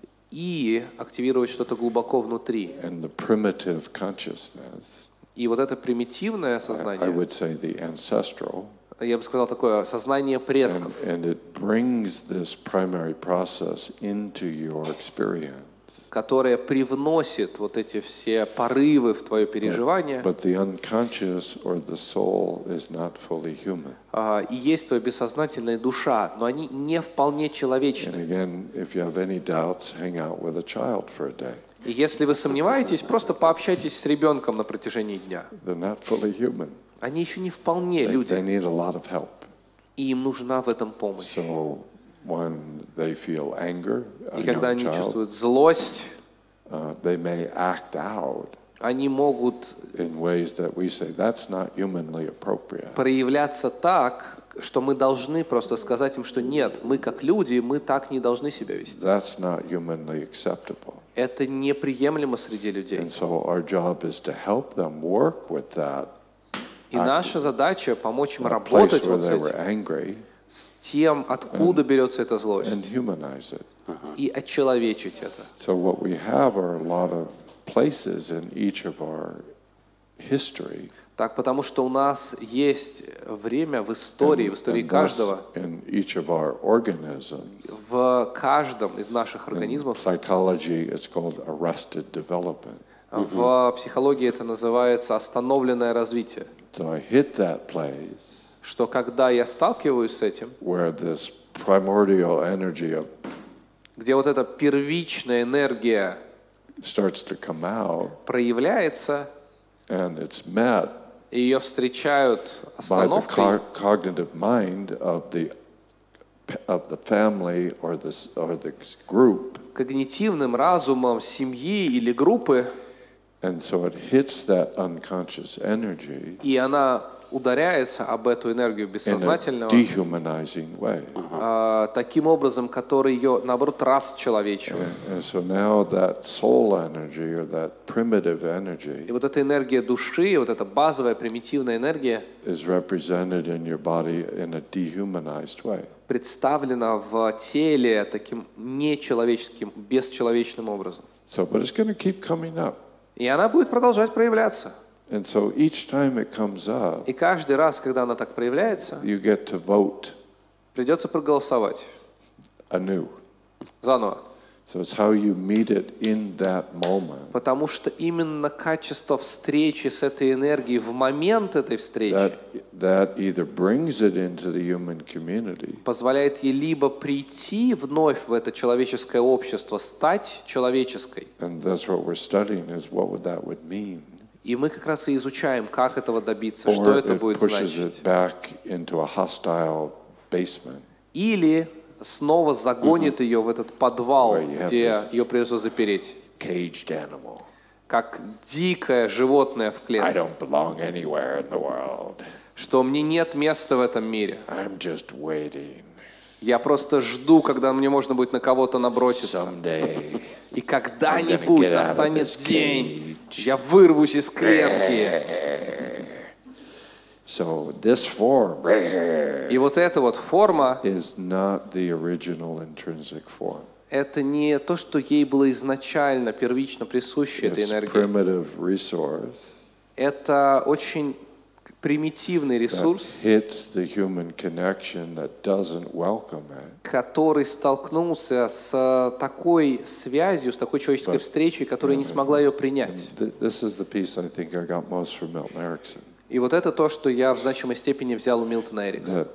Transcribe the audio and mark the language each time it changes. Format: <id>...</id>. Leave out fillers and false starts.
<ru>И активировать что-то глубоко внутри.</ru> <en>And the primitive consciousness,</en> <ru>и вот это примитивное сознание,</ru> <en>I would say the ancestral,</en> <ru>я бы сказал такое, сознание предков.</ru> <en>And it brings this primary process into your experience.</en> <ru>которая привносит вот эти все порывы в твое переживание.</ru> <en>But the unconscious or the soul is not fully human.</en> <ru>И есть твоя бессознательная душа, но они не вполне человечны.</ru> <en>And again, if you have any doubts, hang out with a child for a day.</en> <ru>И если вы сомневаетесь, просто пообщайтесь с ребенком на протяжении дня.</ru> <en>They're not fully human.</en> <ru>Они еще не вполне люди.</ru> <en>They need a lot of help.</en> <ru>И им нужна в этом помощь.</ru> <en>So when they feel anger,</en> <ru>и когда они чувствуют злость,</ru> <en>they may act out.</en> <ru>Они могут</ru> <en>in ways that we say that's not humanly appropriate.</en> <ru>Проявляться так, что мы должны просто сказать им, что нет, мы как люди, мы так не должны себя вести.</ru> <en>That's not humanly acceptable.</en> <ru>Это неприемлемо среди людей.</ru> <en>And so our job is to help them work with that.</en> <ru>И наша задача помочь им работать вот с этим, с тем, откуда берется эта злость, и очеловечить это.</ru> <en>So what we have are a lot of places in each of our history.</en> <ru>Так, потому что у нас есть время в истории,</ru> <en>and,</en> <ru>в истории каждого,</ru> <en>in each of our organisms.</en> <ru>В каждом из наших организмов.</ru> <en>In psychology, it's called arrested development.</en> <ru>В психологии это называется остановленное развитие.</ru> <en>So I hit that place,</en> <ru>что когда я сталкиваюсь с этим,</ru> <en>where this primordial energy of,</en> <ru>где вот эта первичная энергия</ru> <en>starts to come out,</en> <ru>проявляется,</ru> <en>and it's met,</en> <ru>и ее встречают остановкой,</ru> <en>by the cognitive mind of the family or the group,</en> <ru>когнитивным разумом семьи или группы.</ru> <en>And so it hits that unconscious energy.</en> <ru>И она ударяется об эту энергию бессознательного.</ru> <en>In a dehumanizing way.</en> <ru>Таким образом, который ее, наоборот, расчеловечивает.</ru> <en>And so now that soul energy or that primitive energy.</en> <ru>И вот эта энергия души, вот эта базовая примитивная энергия.</ru> <en>Is represented in your body in a dehumanized way.</en> <ru>Представлена в теле таким нечеловеческим, бесчеловечным образом.</ru> <en>So, but it's going to keep coming up.</en> <ru>И она будет продолжать проявляться.</ru> <en>And so each time it comes up,</en> <ru>и каждый раз, когда она так проявляется,</ru> <en>you get to vote,</en> <ru>придется проголосовать</ru> <en>anew,</en> <ru>заново.</ru> <en>So it's how you meet it in that moment,</en> <ru>потому что именно качество встречи с этой энергией в момент этой встречи</ru> <en>that either brings it into the human community,</en> <ru>позволяет ей либо прийти вновь в это человеческое общество, стать человеческой.</ru> <en>And that's what we're studying, is what that would mean.</en> <ru>И мы как раз и изучаем, как этого добиться, что это будет значить.</ru> <en>Or it pushes it back into a hostile basement.</en> <ru>Или снова загонит ее в этот подвал, где ее придется запереть.</ru> <en>Caged animal.</en> <ru>Как дикое животное в клетке.</ru> <en>I don't belong anywhere in the world.</en> <ru>Что мне нет места в этом мире.</ru> <en>I'm just waiting.</en> <ru>Я просто жду, когда мне можно будет на кого-то наброситься.</ru> <en>Someday,</en> <ru>и когда-нибудь настанет день, я вырвусь из клетки.</ru> <en>So this form,</en> <ru>и вот эта вот форма,</ru> <en>is not the original intrinsic form.</en> <ru>Это не то, что ей было изначально, первично присуще этой энергии.</ru> <en>It's primitive resource.</en> <ru>Это очень примитивный ресурс,</ru> <en>that hits the human connection that doesn't welcome it.</en> <ru>Который столкнулся с такой связью, с такой человеческой встречей, которая не смогла ее принять.</ru> <en>This is the piece I think I got most from Milton Erickson.</en> <ru>И вот это то, что я в значимой степени взял у Милтона Эрикса.</ru>